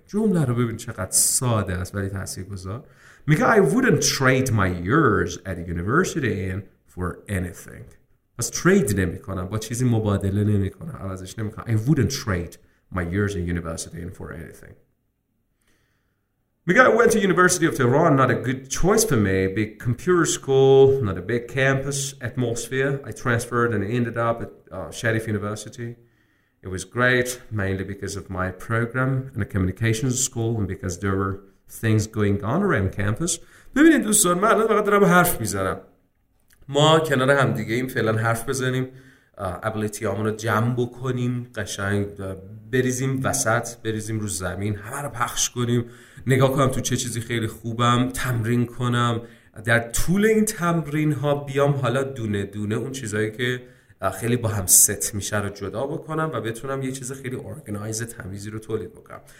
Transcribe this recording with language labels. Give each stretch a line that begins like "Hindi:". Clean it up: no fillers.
Persian: جمله رو ببین چقدر ساده است ولی تاثیرگذار. میگه
English: I wouldn't trade my years at university in for anything.
Persian: پس ترید نمی کنم، با چیزی مبادله نمی کنم، عوضش نمی کنم.
English: I wouldn't trade my years in university in for anything. Because I went to University of Tehran, not a good choice for me. Big computer school, not a big campus atmosphere. I transferred and ended up at Sharif University. It was great, mainly because of my program and a communications school and because there were things going on around campus.
Persian: ببینید دوستان، من الان فقط دارم حرف میزنم. ما کنار هم دیگه این فعلا حرف بزنیم، ابیلیتی هامونو جمع بکنیم، قشنگ بریزیم وسط، بریزیم رو زمین، همه رو پخش کنیم، نگاه کنم تو چه چیزی خیلی خوبم، تمرین کنم، در طول این تمرین ها بیام حالا دونه دونه اون چیزایی که خیلی با هم ست میشه رو جدا بکنم و بتونم یه چیز خیلی اورگانایز تمیزی رو تولید بکنم.